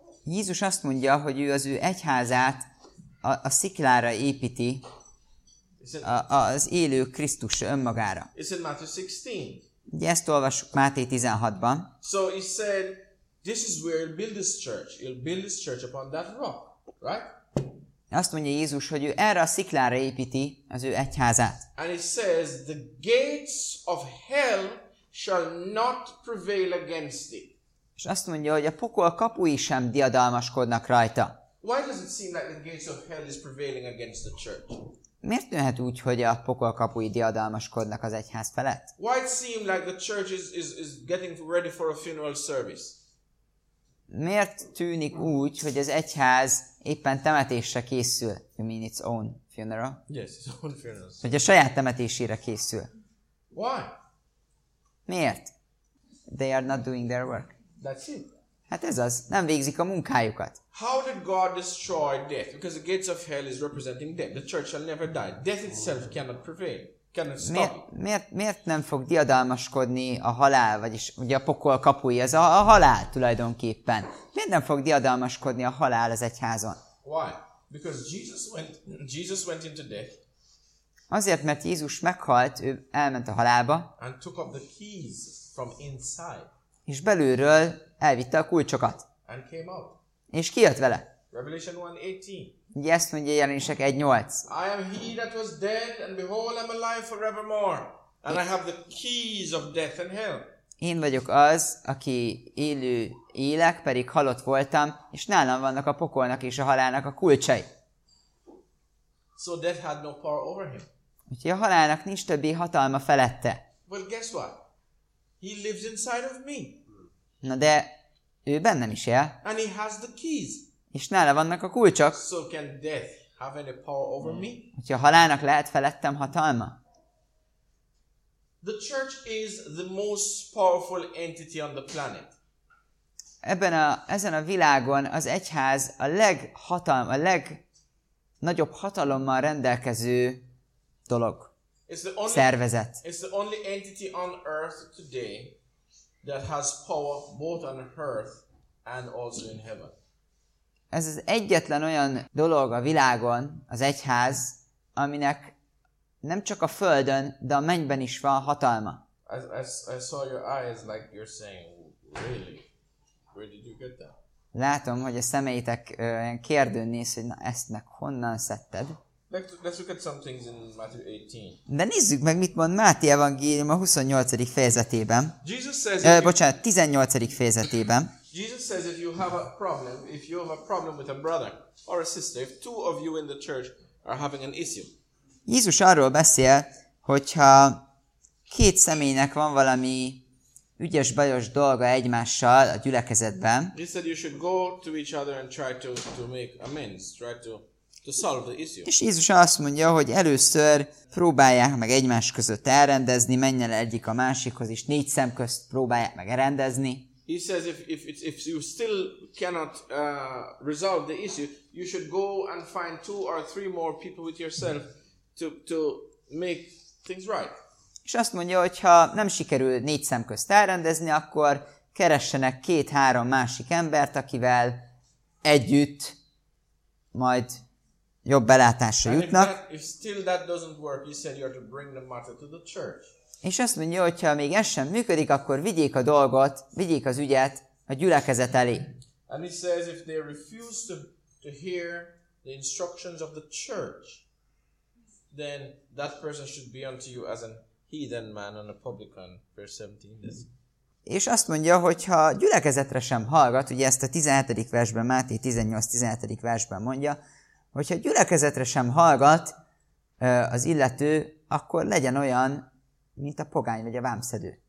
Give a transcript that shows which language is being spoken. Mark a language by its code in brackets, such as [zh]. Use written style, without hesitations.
[hu] Jézus azt mondja, hogy ő az ő egyházát a sziklára építi, az élő Krisztus önmagára. [en] It's in Matthew 16. [hu] Ugye ezt olvassuk Máté 16-ban. [en] So he said, this is where he'll build his church. He'll build his church upon that rock, right? [hu] Azt mondja Jézus, hogy ő erre a sziklára építi az ő egyházát. [en] And he says, the gates of hell shall not prevail against it. [hu] És azt mondja, hogy a pokol kapui sem diadalmaskodnak rajta. [en] Why does it seem like the gates of hell is prevailing against the church? [hu] Miért lehet úgy, hogy a pokol kapui diadalmaskodnak az egyház felett? [en] Why it seem like the church is getting ready for a funeral service? [hu] Miért tűnik úgy, hogy az egyház éppen temetésre készül? [en] You mean its own funeral? Yes, its own funeral. [hu] Hogy a saját temetésére készül. [en] Why? [hu] Miért? [en] They are not doing their work. That's it. [hu] Hát ez az. Nem végzik a munkájukat. [en] How did God destroy death? Because the gates of hell is representing death. The church shall never die. Death itself cannot prevail. Cannot stop. [hu] Miért nem fog diadalmaskodni a halál, vagyis ugye a pokol kapuja, ez a halál tulajdonképpen. Miért nem fog diadalmaskodni a halál az egyházon? [en] Why? Because Jesus went into death. [hu] Azért, mert Jézus meghalt, ő elment a halálba. [en] And took up the keys from inside. [hu] És belülről elvitte a kulcsokat. [en] And came out. [hu] És kijött vele. [en] Revelation 1:18. [hu] Ugye ezt mondja Jelenések 1:8. [en] I am he that was dead, and behold, I am alive forevermore. And I have the keys of death and hell. [hu] Én vagyok az, aki élő élek, pedig halott voltam, és nálam vannak a pokolnak és a halálnak a kulcsai. [en] So death had no power over him. [hu] Úgyhogy a halálnak nincs többi hatalma felette. [en] Well, guess what? He lives inside of me. [hu] Na de ő bennem is él. [en] And he has the keys. [hu] És nála vannak a kulcsok. [en] So can death have any power over me? [hu] Hogyha a halálnak lehet felettem hatalma? [en] The church is the most powerful entity on the planet. [hu] Ezen a világon az egyház a legnagyobb hatalommal rendelkező dolog. Szervezet. [en] It's the only entity on earth today that has power both on earth and also in heaven. [hu] Ez az egyetlen olyan dolog a világon, az egyház, aminek nem csak a földön, de a mennyben is van hatalma. [en] I saw your eyes like you're saying, really? Where did you get that? [hu] Látom, hogy a szemeitek olyan kérdőn néz, hogy na ezt meg honnan szedted. [en] Let's look at some things in Matthew 18. [hu] De nézzük meg, mit mond Máté evangélium a 28. fejezetében. [en] Jesus says, [hu] 18. fejezetében. [en] Jesus says, if you have a problem with a brother or a sister, if two of you in the church are having an issue. [hu] Jézus arról beszél, hogyha két személynek van valami ügyes bajos dolga egymással a gyülekezetben. [en] He said you should go to each other and try to make amends, try to solve the issue. [hu] És Jézus azt mondja, hogy először próbálják meg egymás között elrendezni, menjen egyik a másikhoz, és négy szem közt próbálják meg elrendezni. [en] He says if you still cannot resolve the issue, you should go and find two or three more people with yourself to make things right. [hu] És azt mondja, hogy ha nem sikerül négy szem közt elrendezni, akkor keressenek két-három másik embert, akivel együtt majd jobb belátásra jutnak. [en] If still that doesn't work, he said you have to bring the matter to the church. [hu] És azt mondja, hogyha még ez sem működik, akkor vigyék a dolgot, vigyék az ügyet a gyülekezet elé. [en] And he says if they refuse to hear the instructions of the church, then that person should be unto you as an heathen man and a publican, verse 17. [hu] És azt mondja, hogyha a gyülekezetre sem hallgat, ugye ezt a 17. versben, Máté 18-17. Versben mondja, hogyha a gyülekezetre sem hallgat az illető, akkor legyen olyan, mint a pogány vagy a vámszedő.